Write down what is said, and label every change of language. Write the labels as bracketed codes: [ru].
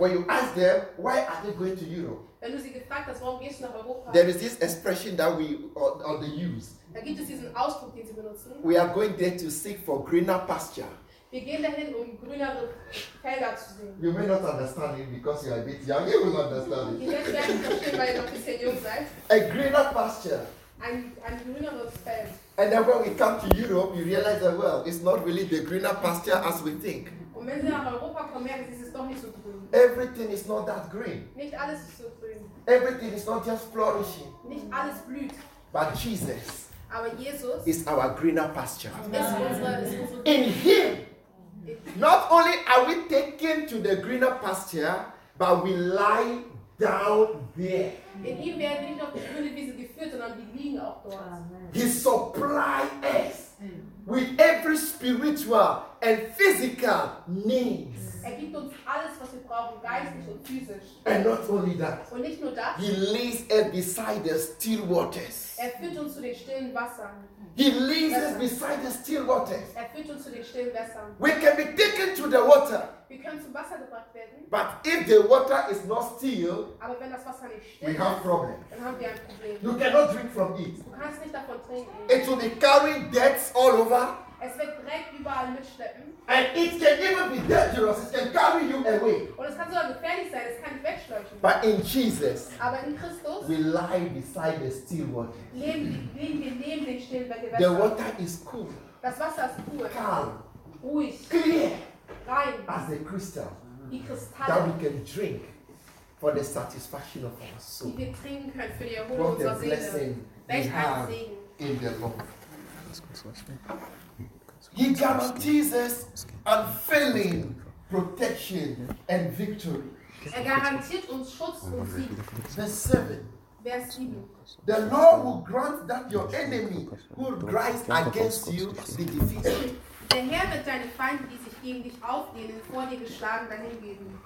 [en] When you ask them, why are they going to Europe? [de] Wenn du sie gefragt hast, warum gehst du nach Europa? [en] There is this expression that we all the use. [de] Da gibt es diesen Ausdruck, den sie benutzen. [en] We are going there to seek for greener pasture. [de] Wir gehen dahin, um grünere Felder zu sehen. [en] You may not understand it because you are a bit young. You will understand it. [de] Ihr werdet es nicht verstehen, weil ihr noch ein bisschen jung seid. [en] A greener pasture. [de] Ein grüneres Feld. [en] And then when we come to Europe, you realize that, well, it's not really the greener pasture as we think. [de] Und wenn sie nach Europa kommen, merken sie, es ist doch nicht so grün. [en] Everything is not that green. [de] Nicht alles ist so grün. [en] Everything is not just flourishing. [de] Nicht alles blüht. [en] But Jesus. [de] Aber Jesus [en] is our greener pasture. [de] Ist unsere [en] in him, not only are we taken to the greener pasture, but we lie down there. [de] In ihm werden nicht nur die grüne Wiese geführt, sondern wir liegen auch dort. [en] He supplies us with every spiritual and physical needs. [de] Er gibt uns alles, was wir brauchen, geistig und physisch. [en] And not only that. [de] Und nicht nur das. [en] He leads us beside the still waters. [de] Er führt uns zu den stillen Wassern. [en] He leads us beside the still waters. [de] Er führt uns zu den stillen Wässern. [en] We can be taken to the water. [de] Wir können zum Wasser gebracht werden. [en] But if the water is not still, [de] aber wenn das Wasser nicht still, [en] we have problems. [de] Dann haben wir ein Problem. [en] You cannot drink from it. [de] Du kannst nicht davon trinken. [en] It will be carrying debts all over. [de] Es wird Dreck überall mitschleppen. [en] And it can even be dangerous. It can carry you away. [de] Und es kann sogar gefährlich sein. Es kann dich wegschleppen. [en] But in Jesus, [de] aber in Christus, [en] we lie beside the still water. [de] Leben wir neben den stillen Wässern. [en] The water is cool. [de] Das Wasser ist cool. [en] Calm. [de] Ruhig. [en] Clear. [de] Rein. [en] As the crystal. [de] Die Kristalle. [en] That we can drink. for the satisfaction of our soul. [de] Die wir trinken können für die Erholung unserer Seele. Welch ein Segen. [en] In the Lord. He guarantees us unfailing protection and victory. [de] Er garantiert uns Schutz und Sieg. [en] Verse 7. [de] Vers 7. [en] The Lord will grant that your enemy who rise against you be defeated. [de] Der Herr wird deine Feinde, die sich gegen dich aufdehnen, vor dir geschlagen, dahin geben.